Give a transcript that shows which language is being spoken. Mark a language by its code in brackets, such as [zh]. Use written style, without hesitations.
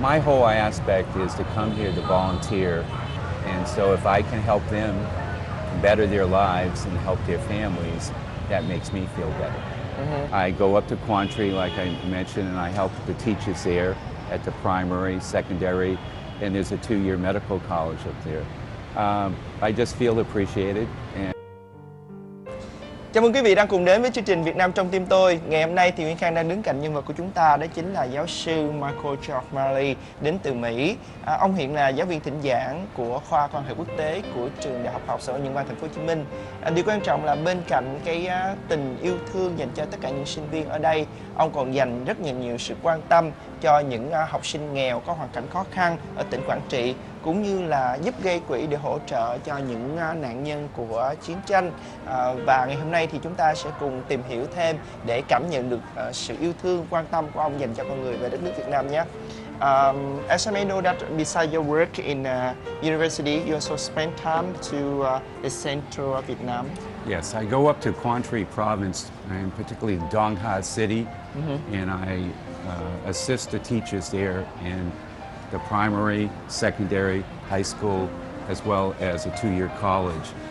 [en] My whole aspect is to come here to volunteer, and so if I can help them better their lives and help their families, that makes me feel better. Uh-huh. I go up to Quantry, like I mentioned, and I help the teachers there at the primary, secondary, and there's a 2-year medical college up there. I just feel appreciated. [vi] Chào mừng quý vị đang cùng đến với chương trình Việt Nam trong tim tôi. Ngày hôm nay thì Nguyễn Khang đang đứng cạnh nhân vật của chúng ta, đó chính là giáo sư Michael George Marley đến từ Mỹ. Ông hiện là giáo viên thỉnh giảng của khoa quan hệ quốc tế của trường Đại học Học Sở Nhân Văn Thành phố Hồ Chí Minh. Điều quan trọng là bên cạnh cái tình yêu thương dành cho tất cả những sinh viên ở đây, ông còn dành rất nhiều sự quan tâm cho những học sinh nghèo có hoàn cảnh khó khăn ở tỉnh Quảng Trị, cũng như là giúp gây quỹ để hỗ trợ cho những nạn nhân của chiến tranh. Và ngày hôm nay thì chúng ta sẽ cùng tìm hiểu thêm để cảm nhận được sự yêu thương, quan tâm của ông dành cho con người về đất nước Việt Nam nhé. [en] As I may know that besides your work in university, you also spend time to the center of Vietnam. Yes, I go up to Quang Tri province, and particularly Dong Ha city, and I assist the teachers there in the primary, secondary, high school, as well as a 2-year college.